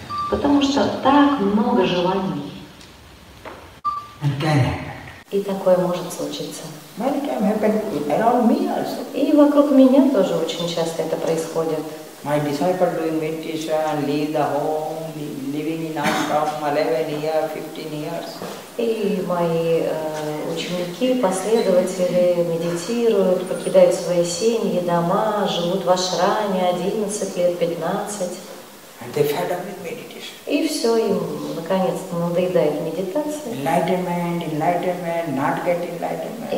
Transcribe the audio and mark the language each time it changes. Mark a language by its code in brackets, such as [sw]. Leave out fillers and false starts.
[ru] Потому что так много желаний. И такое может случиться. [en] Many times happen around me also. [ru] И вокруг меня тоже очень часто это происходит. [en] My disciple doing meditation and leave the home, living in ashram 11 years, 15 years. [ru] И мои ученики, последователи, медитируют, покидают свои семьи, дома, живут в ашраме 11 лет, 15. [en] And they fed up with meditation. [ru] И все, им наконец-то надоедает медитация. [en] Enlightenment, enlightenment, not get enlightenment.